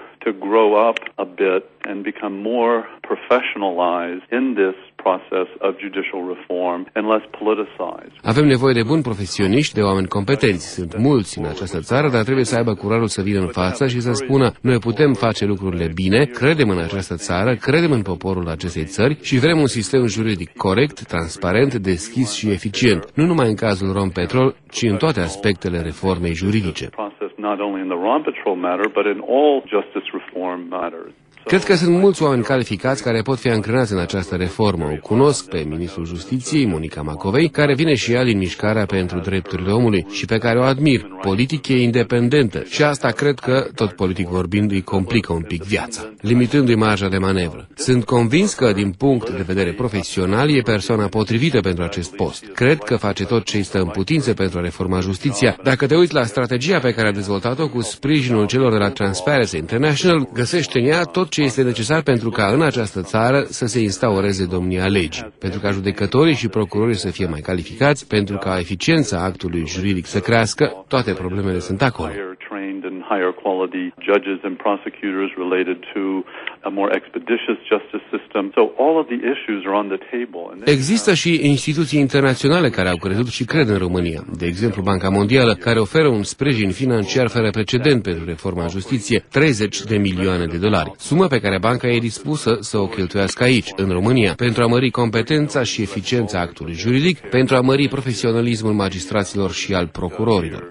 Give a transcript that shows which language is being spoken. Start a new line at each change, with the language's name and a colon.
English: To grow up a bit and become more professionalized in this process of judicial reform and less politicized.
Romanian: Avem nevoie de buni profesioniști, de oameni competenți. Sunt mulți în această țară, dar trebuie să aibă curajul să vină în față și să spună: noi putem face lucrurile bine, credem în această țară, credem în poporul acestei țări și vrem un sistem juridic corect, transparent, deschis și eficient, nu numai în cazul Rompetrol, ci în toate aspectele reformei juridice.
English: Not only in the Rompetrol matter, but in all justice reform matters.
Romanian: Cred că sunt mulți oameni calificați care pot fi angrenați în această reformă. O cunosc pe ministrul Justiției, Monica Macovei, care vine și ea din Mișcarea pentru Drepturile Omului și pe care o admir. Politic e independentă și asta cred că, tot politic vorbind, îi complică un pic viața, limitându-i marja de manevră. Sunt convins că, din punct de vedere profesional, e persoana potrivită pentru acest post. Cred că face tot ce îi stă în putință pentru a reforma justiția. Dacă te uiți la strategia pe care a dezvoltat-o cu sprijinul celor de la Transparency International, găsește în ea tot ce este necesar pentru ca în această țară să se instaureze domnia legii, pentru ca judecătorii și procurorii să fie mai calificați, pentru ca eficiența actului juridic să crească, toate problemele sunt acolo.
English: Higher quality judges and prosecutors related to a more expeditious justice system. So all of the issues are on the table.
Romanian: Există și instituții internaționale care au crezut și cred în România. De exemplu, Banca Mondială, care oferă un sprijin financiar fără precedent pentru reforma justiției, 30 de milioane de dolari. Sumă pe care banca e dispusă să o cheltuiască aici, în România, pentru a mări competența și eficiența actului juridic, pentru a mări profesionalismul magistraților și al procurorilor.